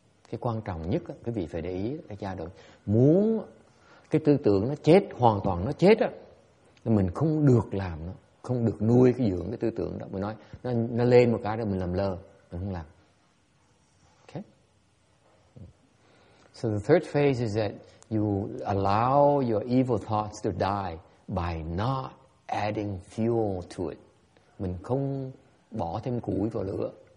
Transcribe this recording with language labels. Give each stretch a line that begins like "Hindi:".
Vietnamese: Cái quan trọng nhất đó, quý vị phải để ý là giai đoạn muốn cái tư tưởng nó chết, hoàn toàn nó chết đó, thì mình không được làm nó, không được nuôi cái dưỡng cái tư tưởng đó. Mình nói nó lên một cái rồi mình làm lơ, mình không làm.
English: So the third phase is that you allow your evil thoughts to die by not adding fuel to it.
Vietnamese: Mình không bỏ thêm củi vào lửa.